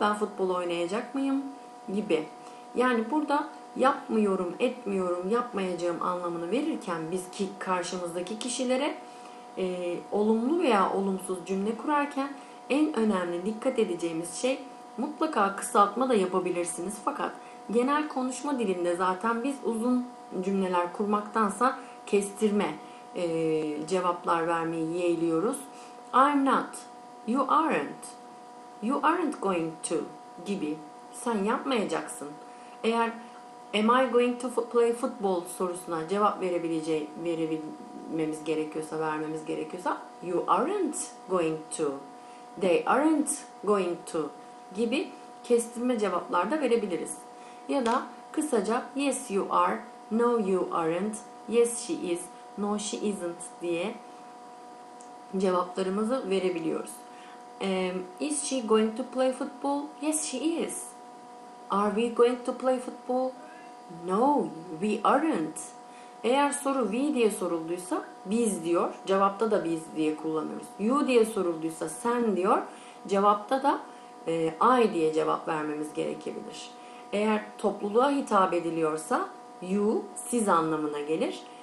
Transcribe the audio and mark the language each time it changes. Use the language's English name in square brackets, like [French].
[Turkish] Ben futbol oynayacak mıyım? Gibi. Yani burada yapmıyorum, etmiyorum, yapmayacağım anlamını verirken biz ki karşımızdaki kişilere olumlu veya olumsuz cümle kurarken en önemli dikkat edeceğimiz şey, mutlaka kısaltma da yapabilirsiniz. Fakat genel konuşma dilinde zaten biz uzun cümleler kurmaktansa kestirme cevaplar vermeyi yeğliyoruz. [English] I'm not, you aren't going to [Turkish] gibi. Sen yapmayacaksın. [English] Eğer am I going to play football [Turkish] sorusuna cevap verebilmemiz gerekiyorsa, vermemiz gerekiyorsa [English] you aren't going to, they aren't going to [Turkish] gibi kestirme cevaplar da verebiliriz. Ya da kısaca [English] yes you are, no you aren't, yes she is, no she isn't [Turkish] diye cevaplarımızı verebiliyoruz. [English] Is she going to play football? Yes she is. Are we going to play football? No, we aren't. [Turkish] Eğer soru we diye sorulduysa biz diyor. Cevapta da biz diye kullanıyoruz. You diye sorulduysa sen diyor. Cevapta da I diye cevap vermemiz gerekebilir. Eğer topluluğa hitap ediliyorsa you, siz anlamına gelir.